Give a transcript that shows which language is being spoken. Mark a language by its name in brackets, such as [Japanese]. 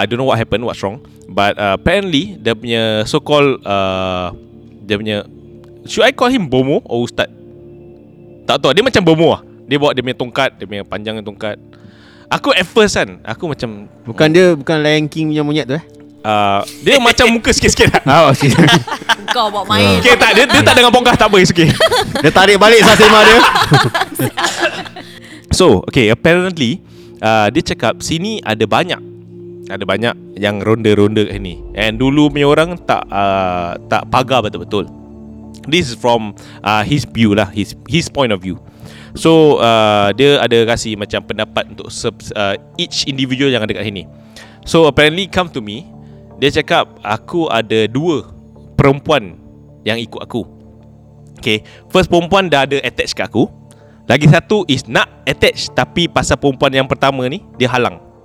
[English] I don't know what happened, what's wrong, but apparently [Malay] dia punya [English] so called dia punya, should I call him Bomo or Ustaz? [Malay] Tak tahu, dia macam Bomo lah. Dia bawa dia punya tongkat, dia punya panjang tongkat. Aku at first kan, aku macam bukan dia, bukan Lion King punya monyet tu eh. Dia macam muka sikit-sikit lah. Oh, sikit. Kau buat main. Okay, tak, dia tak dengar bongkah, tak apa, [English] it's okay. [Malay] Dia tarik balik sasema dia. So, okay, apparently dia cakap, sini ada banyak. Ada banyak yang ronda-ronda kat sini. And dulu punya orang tak tak pagar betul-betul. [English] This is from his view lah, his point of view. [Malay] So dia ada kasi macam pendapat untuk each individual yang ada kat sini. [English] So apparently come to me, [Malay] dia cakap aku ada dua perempuan yang ikut aku. Okay, first perempuan dah ada attach kat aku. Lagi satu is nak attach, tapi pasal perempuan yang pertama ni dia halang.